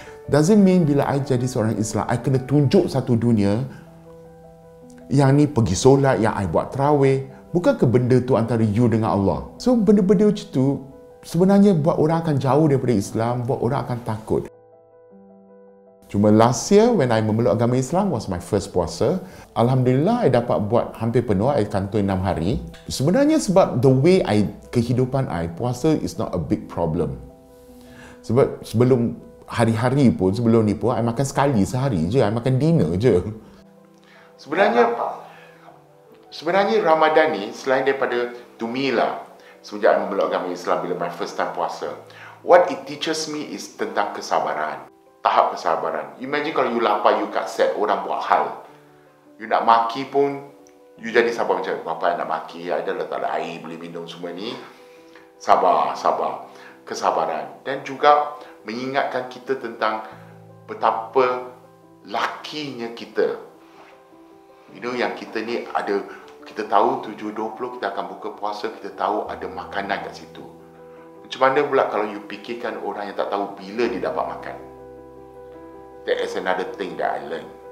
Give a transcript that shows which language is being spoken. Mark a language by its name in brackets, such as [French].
[English] Doesn't mean [Malay] bila I jadi seorang Islam, I kena tunjuk satu dunia yang ni pergi solat, yang I buat terawih. Bukankah benda tu antara you dengan Allah? So benda-benda macam tu sebenarnya buat orang akan jauh daripada Islam, buat orang akan takut. Cuma [English] last year, when I [Malay] memeluk agama Islam, [English] was my first puasa. [Malay] Alhamdulillah, I dapat buat hampir penuh. I kantoi 6 hari. Sebenarnya sebab [English] the way [Malay] I kehidupan I, puasa [English] is not a big problem. [Malay] Sebab sebelum hari-hari pun, sebelum ni pun, I makan sekali sehari je. I makan dinner je. Sebenarnya Ramadan ni, selain daripada [English] to me [Malay] lah, semenjak I memeluk agama Islam bila [English] my first time [Malay] puasa, [English] what it teaches me is [Malay] tentang kesabaran. Tahap kesabaran. Imagine kalau you lapar, you kat set, orang buat hal. You nak maki pun, you jadi sabar macam, bapa nak maki, ada letak ada air, boleh minum semua ni. Sabar. Kesabaran. Dan juga, mengingatkan kita tentang betapa lakinya kita. [English] You know, [Malay] yang kita ni ada, kita tahu 7.20 kita akan buka puasa, kita tahu ada makanan kat situ. Macam mana pula kalau you fikirkan orang yang tak tahu bila dia dapat makan? [English] That is another thing that I learn.